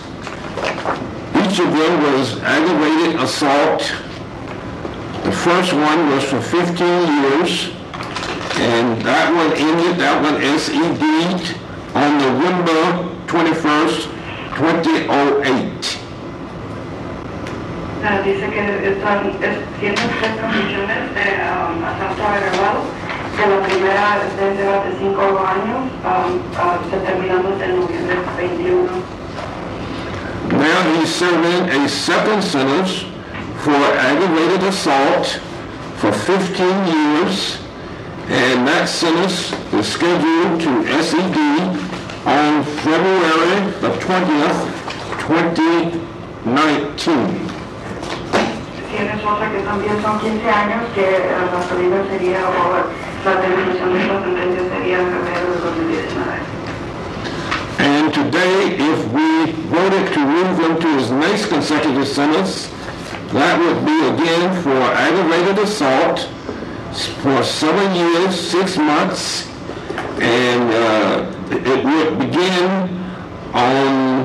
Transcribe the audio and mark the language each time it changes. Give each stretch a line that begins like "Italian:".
English: Each of them was aggravated assault. The first one was for 15 years, and that one ended, that one SED'd on November 21st, 2008.
Spanish: Dice que están, tienen 3 convicciones de asalto agravado, que la primera desde hace 5 años, se terminó en noviembre 21.
English: Now he's serving a second sentence for aggravated assault for 15 years, and that sentence is scheduled to SED on February the 20th, 2019.
Spanish: Tienes otra que también son 15 años, que la salida sería, o la terminación de la sentencia sería en febrero de 2019.
English: And today, if we voted to move him to his next consecutive sentence, that would be again for aggravated assault for 7 years, 6 months, and it would begin on,